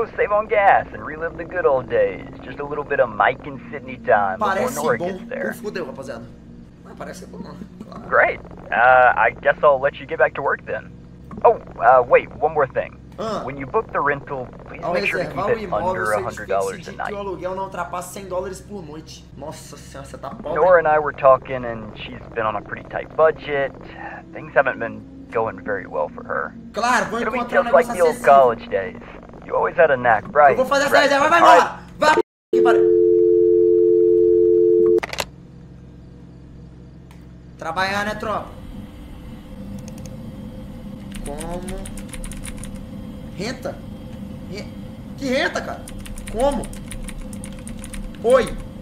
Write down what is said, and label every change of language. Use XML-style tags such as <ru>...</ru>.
<en>save on gas and relive the good old days. Just a little bit of Mike and Sydney time.</en> <pt>Parece</pt> <en>before</en> <pt>bom.</pt> <en>Gets there.</en> <pt>Fudeu, rapaziada. Não, parece bom. Claro.</pt> <en>Great. I guess I'll let you get back to work then. Oh, wait, one more thing. When you book the rental, please make sure to keep it under $100 a night.</en> <pt>Que o aluguel não ultrapasse $100 por noite. Nossa senhora, você tá pobre.</pt> <en>Nora and I were talking and she's been on a pretty tight budget. Things haven't been going very well for her.</en> <pt>Claro, vou encontrar um negócio acessível.</pt> <en>It'll be just like the old college days. You always had a knack, right?</en> <pt>Eu vou fazer essa reserva, vai embora! Vai! Trabalhar, né, tropa? Como... Renta? Que renta, cara? Como? Oi!</pt>